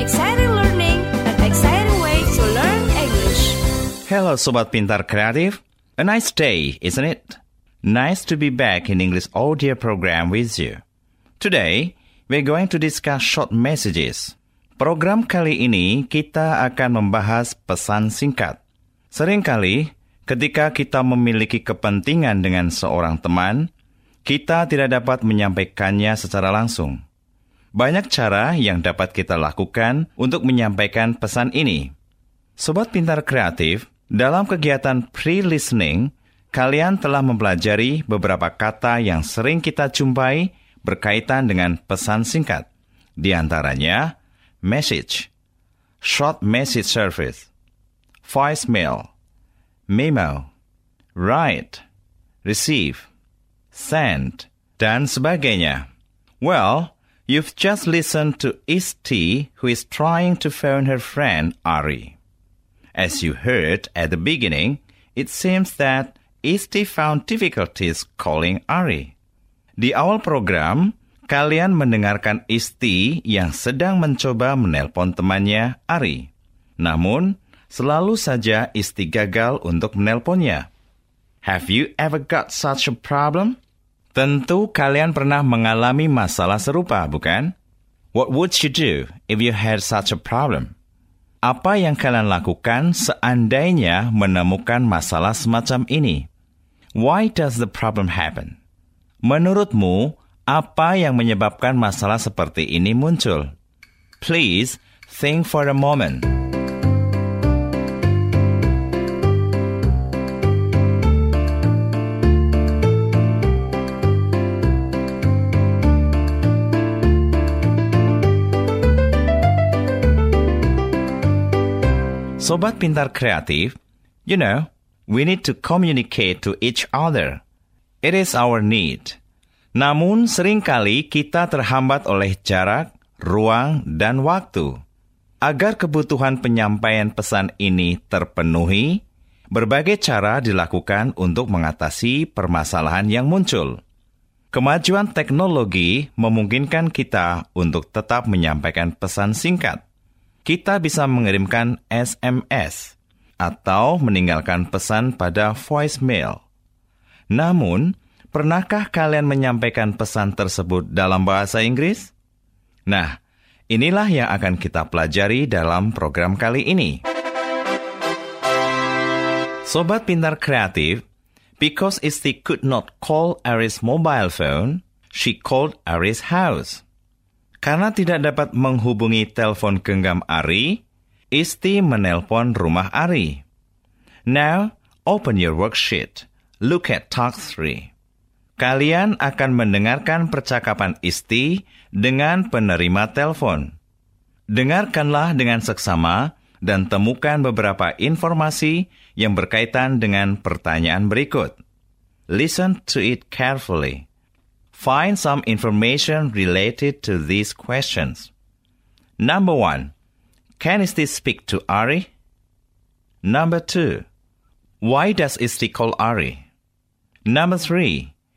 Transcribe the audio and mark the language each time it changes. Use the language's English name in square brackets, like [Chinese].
[English] Exciting learning, an exciting way to learn English. Hello, Sobat Pintar Kreatif. A nice day, isn't it? Nice to be back in English audio program with you. Today, we're going to discuss short messages. [Indonesian] Program kali ini, kita akan membahas pesan singkat. Seringkali, ketika kita memiliki kepentingan dengan seorang teman, kita tidak dapat menyampaikannya secara langsung. Banyak cara yang dapat kita lakukan untuk menyampaikan pesan ini. Sobat Pintar Kreatif, dalam kegiatan pre-listening, kalian telah mempelajari beberapa kata yang sering kita jumpai berkaitan dengan pesan singkat. Di antaranya, message, short message service, voicemail, memo, write, receive, send, dan sebagainya. [English] Well, you've just listened to Isti, who is trying to phone her friend Ari. As you heard at the beginning, it seems that Isti found difficulties calling Ari. [Indonesian] Di awal program, kalian mendengarkan Isti yang sedang mencoba menelpon temannya Ari. Namun, selalu saja Isti gagal untuk menelponnya. [English] Have you ever got such a problem? [Indonesian] Tentu kalian pernah mengalami masalah serupa, bukan? [English] What would you do if you had such a problem? [Indonesian] Apa yang kalian lakukan seandainya menemukan masalah semacam ini? [English] Why does the problem happen? [Indonesian] Menurutmu, apa yang menyebabkan masalah seperti ini muncul? [English] Please think for a moment. Sobat Pintar Kreatif, you know, we need to communicate to each other. It is our need. [Indonesian] Namun, seringkali kita terhambat oleh jarak, ruang, dan waktu. Agar kebutuhan penyampaian pesan ini terpenuhi, berbagai cara dilakukan untuk mengatasi permasalahan yang muncul. Kemajuan teknologi memungkinkan kita untuk tetap menyampaikan pesan singkat. Kita bisa mengirimkan SMS atau meninggalkan pesan pada voicemail. Namun, pernahkah kalian menyampaikan pesan tersebut dalam bahasa Inggris? Nah, inilah yang akan kita pelajari dalam program kali ini. [English] Sobat Pintar Kreatif, because Isti could not call Ari's mobile phone, she called Ari's house. [Indonesian] Karena tidak dapat menghubungi telepon genggam Ari, Isti menelpon rumah Ari. [English] Now, open your worksheet. Look at task 3. [Indonesian] Kalian akan mendengarkan percakapan Isti dengan penerima telepon. Dengarkanlah dengan seksama dan temukan beberapa informasi yang berkaitan dengan pertanyaan berikut. [English] Listen to it carefully. Find some information related to these questions. Number 1. Can Isti speak to Ari? Number 2. Why does Isti call Ari? Number 3.